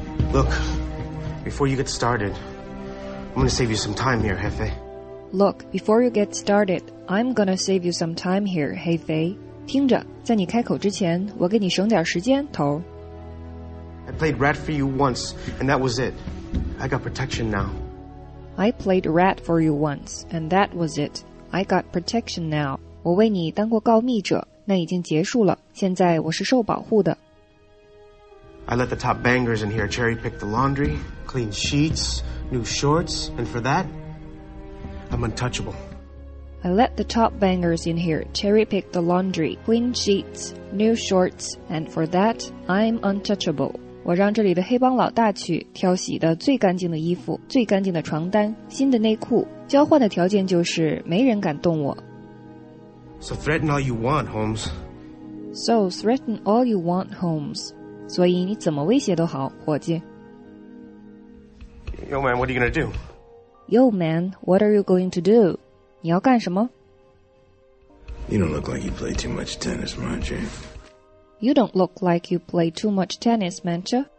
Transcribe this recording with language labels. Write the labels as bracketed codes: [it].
[en] Look, before you get started, I'm going to save you some time here, Jefe. Look, before you get started, I'm going to save you some time here, Jefe. [zh] 听着，在你开口之前，我给你省点时间，头。 [en] I played rat for you once, and that was it. I got protection now. I played rat for you once, and that was it. I got protection now. [zh] 我为你当过告密者，那已经结束了。现在我是受保护的。 [en] I let the top bangers in here cherry pick the laundry, clean sheets, new shorts, and for that, I'm untouchable. I let the top bangers in here cherry pick the laundry, clean sheets, new shorts, and for that, I'm untouchable. [zh] 我让这里的黑帮老大去挑洗的最干净的衣服，最干净的床单，新的内裤，交换的条件就是没人敢动我。 [en] So threaten all you want, Holmes. So threaten all you want, Holmes. [zh] 所以你怎么威胁都好，伙计。 [en] Yo, man, what are you gonna do? Yo, man, what are you going to do? [zh] 你要干什么？ [en] You don't look like you play too much tennis, Monche. You don't look like you play too much tennis, Mancha.